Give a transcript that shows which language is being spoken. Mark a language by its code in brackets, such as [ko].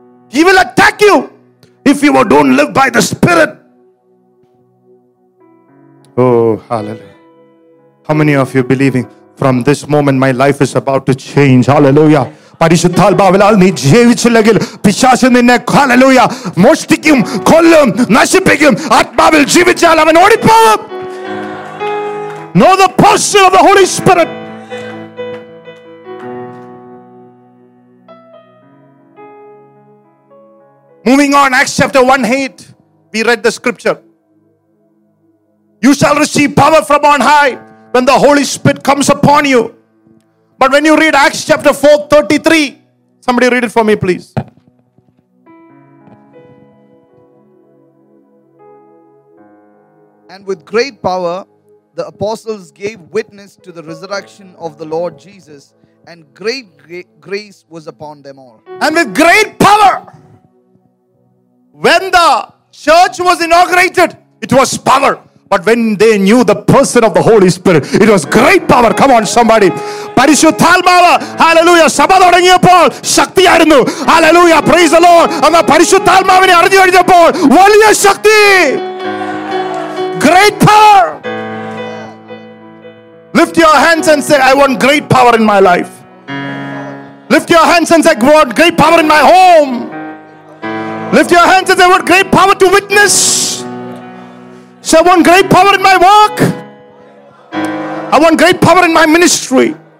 [en] He will attack you if you don't live by the spirit. Oh, hallelujah. How many of you believing from this moment my life is about to change? Hallelujah. [ml] പരിശുദ്ധാൽ ബാവലാൽ നീ ജീവിച്ചില്ലെങ്കിൽ പിശാച് നിന്നെ hallelujah മോഷ്ടിക്കും കൊല്ലും നശിപ്പിക്കും. ആത്മാവിൽ ജീവിച്ചാൽ അവൻ ഓടിപ്പോകും. [en] Know the posture of the Holy Spirit. Moving on, Acts chapter 1:8, we read the scripture. You shall receive power from on high when the Holy Spirit comes upon you. But when you read Acts chapter 4:33, somebody read it for me, please. And with great power, the apostles gave witness to the resurrection of the Lord Jesus, and great grace was upon them all. And with great power, when the church was inaugurated, it was power. But when they knew the person of the Holy Spirit, it was great power. Come on, somebody. [ml] പരിശുദ്ധാത്മാവ്, hallelujah, സഭ തുടങ്ങിയപ്പോൾ ശക്തിയായിരുന്നു. Hallelujah, praise the Lord. അന്ന് പരിശുദ്ധാത്മാവിനെ അറിഞ്ഞു കഴിഞ്ഞപ്പോൾ വലിയ ശക്തി. [en] Great power. Lift your hands and say, I want great power in my life. Lift your hands and say, I want great power in my home. Lift your hands and say, I want great power to witness. So I want great power in my work. I want great power in my ministry.